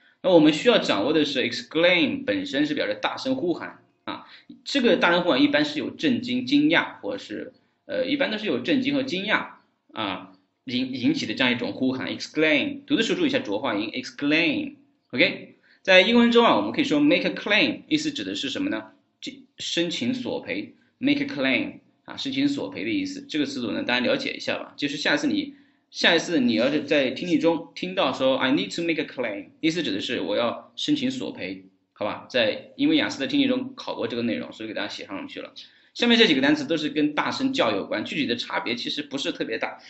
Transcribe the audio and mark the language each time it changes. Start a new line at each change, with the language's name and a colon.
Chinese: 那我们需要掌握的是 exclaim 本身是表示大声呼喊啊，这个大声呼喊一般是有震惊、惊讶，或者是一般都是有震惊和惊讶啊引起的这样一种呼喊 exclaim。读的时候注意一下浊化音 exclaim。OK， 在英文中啊，我们可以说
English: make a claim，
Chinese: 意思指的是什么呢？申请索赔
English: make a claim。
Chinese: 啊，申请索赔的意思，这个词组呢，大家了解一下吧。就是下一次你要是在听力中听到说
English: "I need to make a claim"，
Chinese: 意思指的是我要申请索赔，好吧？因为雅思的听力中考过这个内容，所以给大家写上去了。下面这几个单词都是跟大声叫有关，具体的差别其实不是特别大。